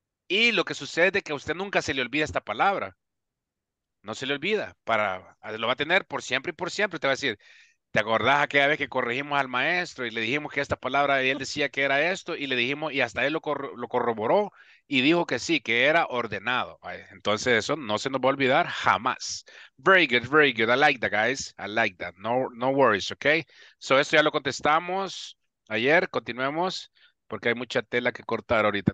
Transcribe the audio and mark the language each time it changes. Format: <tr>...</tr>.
<es>Y lo que sucede es que a usted nunca se le olvida esta palabra. No se le olvida, lo va a tener por siempre y por siempre. Te va a decir, ¿te acordás aquella vez que corregimos al maestro y le dijimos que esta palabra, él decía que era esto, y le dijimos, y hasta él lo corroboró y dijo que sí, que era ordenado? Entonces, eso no se nos va a olvidar jamás.</es> <en>Very good, very good. I like that, guys. I like that. No worries, okay? So,</en> <es>esto ya lo contestamos. ayer, continuemos, porque hay mucha tela que cortar ahorita.</es>